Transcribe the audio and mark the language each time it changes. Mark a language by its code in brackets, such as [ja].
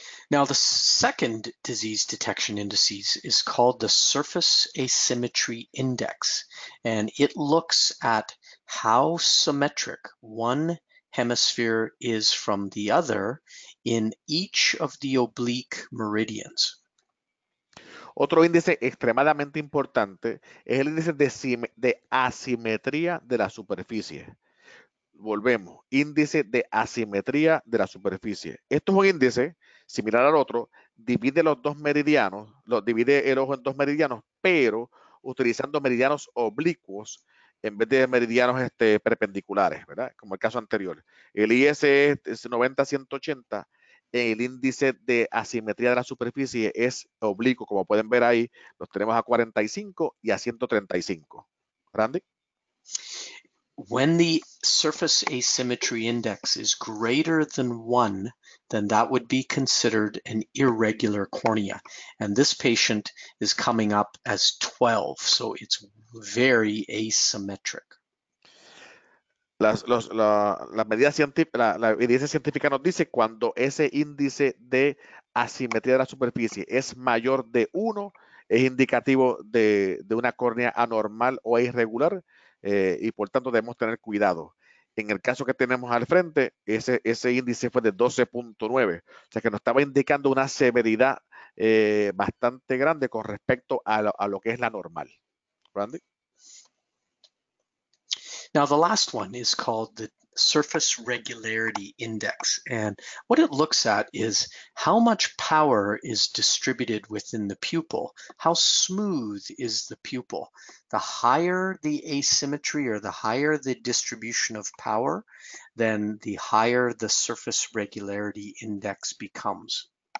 [en] Now the second disease detection indices is called the surface asymmetry index. And it looks at how symmetric one hemisphere is from the other in each of the oblique meridians. [es] Otro índice extremadamente importante es el índice de asimetría de la superficie. Volvemos, índice de asimetría de la superficie. Esto es un índice similar al otro, divide los dos meridianos, divide el ojo en dos meridianos, pero utilizando meridianos oblicuos en vez de meridianos perpendiculares, ¿verdad? Como el caso anterior. El IS es 90-180, el índice de asimetría de la superficie es oblicuo, como pueden ver ahí, los tenemos a 45 y a 135. Randy. [en] When the surface asymmetry index is greater than one, then that would be considered an irregular cornea. And this patient is coming up as 12, so it's very asymmetric. [es] La medida científica, la evidencia científica nos dice cuando ese índice de asimetría de la superficie es mayor de 1, es indicativo de una córnea anormal o irregular, y por tanto debemos tener cuidado. En el caso que tenemos al frente, ese índice fue de 12.9, o sea que nos estaba indicando una severidad bastante grande con respecto a lo que es la normal. Randy. [en] Now, the last one is called the surface regularity index. And what it looks at is how much power is distributed within the pupil. How smooth is the pupil? The higher the asymmetry or the higher the distribution of power, then the higher the surface regularity index becomes.